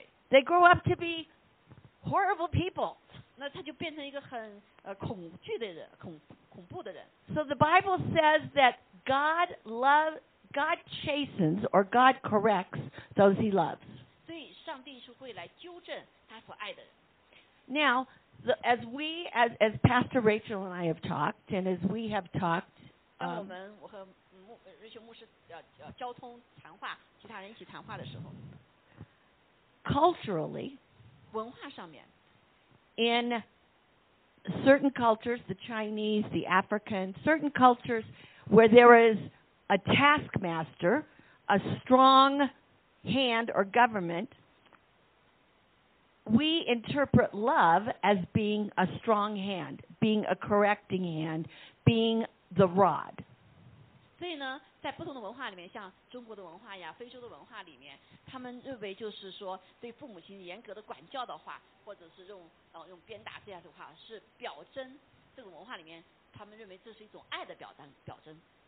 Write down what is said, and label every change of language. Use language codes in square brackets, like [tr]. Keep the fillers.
[en] They grow up to be horrible people. people。 [zh] 那他就变成一个很呃恐惧的人，恐恐怖的人。 [en] So the Bible says that God love God chastens or God corrects those He loves。 [zh] 所以上帝是会来纠正他所爱的人。 [en] Now, the, as we, as as Pastor Rachel and I have talked, and as we have talked, um, [zh] 但我们,牧呃瑞秋牧师呃呃交通谈话，其他人一起谈话的时候 [en] ，culturally， [zh] 文化上面 [en] ，in certain cultures the Chinese the African certain cultures where there is a taskmaster a strong hand or government we interpret love as being a strong hand being a correcting hand being the rod [zh] 所以呢，在不同的文化里面，像中国的文化呀、非洲的文化里面，他们认为就是说，对父母亲严格的管教的话，或者是用呃用鞭打这样的话，是表征这种文化里面，他们认为这是一种爱的表彰表征。